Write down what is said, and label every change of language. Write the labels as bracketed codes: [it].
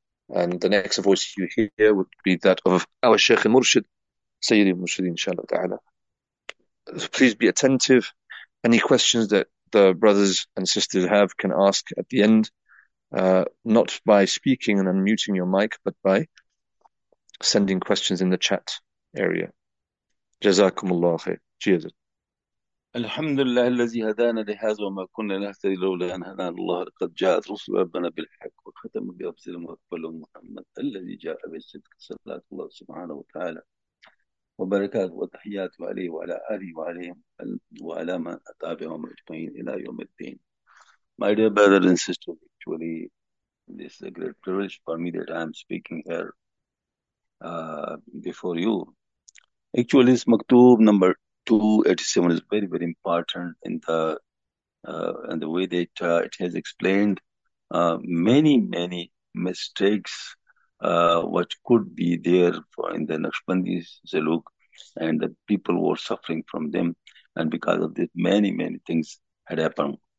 [en] And the next voice you hear would be that of our Sheikh Murshid, Sayyidi Murshid, inshallah ta'ala. Please be attentive. Any questions that the brothers and sisters have can ask at the end, not by speaking and unmuting your mic, but by sending questions in the chat area. Jazakumullah khair. Cheers. [ar] Alhamdulillah, الذي هدانا لهذا وما كنا لنهتدي لولا أن هدانا الله لقد جاءت رسل ربنا بالحق وختم بأفضل مقبل محمد الذي جاء بالصدق صلى الله سبحانه وتعالى وبركاته وتحياته عليه وعلى آله وعليهم وعلى من أتابعهم أجمعين إلى يوم الدين. [en] My dear brother and sister, actually, this is a great privilege for me that I am speaking here before you. Actually, this maktub number 287 is very, very important in the way that it has explained many, many mistakes what could be there for in the Naqshbandi Zaluk, and the people were suffering from them, and because of this, many, many things had happened.